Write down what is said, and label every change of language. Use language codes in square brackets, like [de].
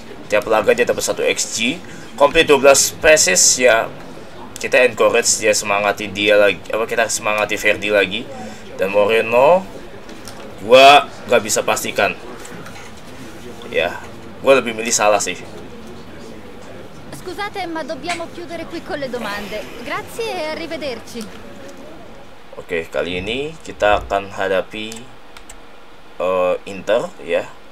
[id] Tiap laga dia dapat satu XG. [en] Complete 12 passes [id] ya. Kita encourage dia, semangati dia lagi. Apa kita semangati Verdi lagi. Dan Moreno, gua gak bisa pastikan. Ya. Gue lebih milih salah sih. [it] Scusate, ma dobbiamo chiudere qui con le domande. Grazie e arrivederci. [id] Oke, kali ini kita akan hadapi Inter ya.